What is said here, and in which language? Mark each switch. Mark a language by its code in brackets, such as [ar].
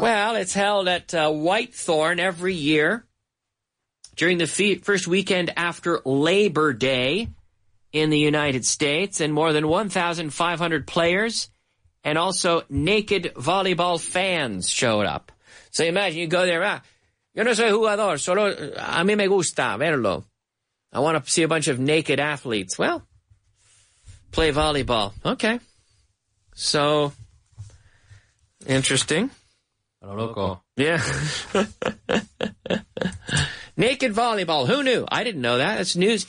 [en] Well, it's held at Whitethorn every year during the first weekend after Labor Day in the United States. And more than 1,500 players and also naked volleyball fans showed up. So imagine you go there. [es] Ah, yo no soy jugador, solo a mí me gusta verlo. [en] I want to see a bunch of naked athletes. Well, play volleyball. Okay. So, interesting. [es] A lo loco. [en] Yeah. Naked volleyball. Who knew? I didn't know that. It's news.